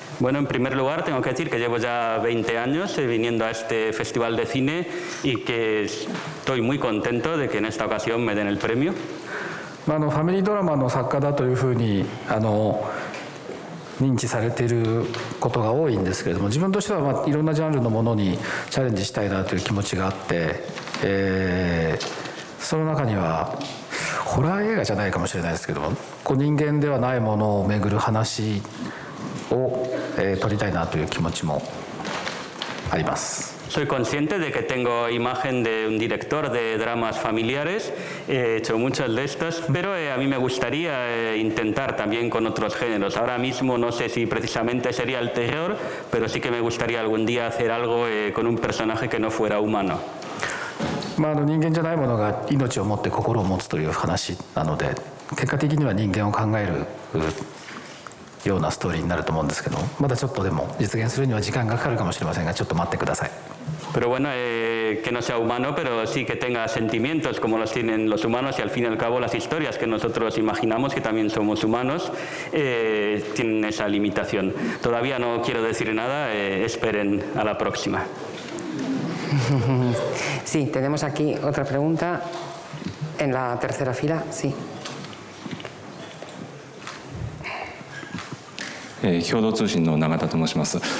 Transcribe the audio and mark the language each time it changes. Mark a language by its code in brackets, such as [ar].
[es] Bueno, en primer lugar tengo que decir que llevo ya 20 años viniendo a este festival de cine y que estoy muy contento de que en esta ocasión me den el premio. [ja] Bueno, familia drama の作家だというふうに認知されていることが多いんですけれども、自分としてはまあいろんなジャンルのものにチャレンジしたいなという気持ちがあって、その中にはホラー映画じゃないかもしれないですけども、こう人間ではないものをめぐる話を撮りたいなという気持ちもあります。 [es] Soy consciente de que tengo imagen de un director de dramas familiares. He hecho muchas de estas, pero a mí me gustaría intentar también con otros géneros. Ahora mismo no sé si precisamente sería el terror, pero sí que me gustaría algún día hacer algo con un personaje que no fuera humano. [ja] まあ、人間じゃないものが命を持って心を持つという話なので、結果的には人間を考える。ようなストーリーになると思うんですけど、まだちょっとでも実現するには時間がかかるかもしれませんが、ちょっと待ってください。 [es] Pero bueno, que no sea humano, pero sí que tenga sentimientos como los tienen los humanos y al fin y al cabo las historias que nosotros imaginamos, que también somos humanos, tienen esa limitación. Todavía no quiero decir nada, esperen a la próxima. Sí, tenemos aquí otra pregunta en la tercera fila, sí. [ja] 共同通信の永田と申します。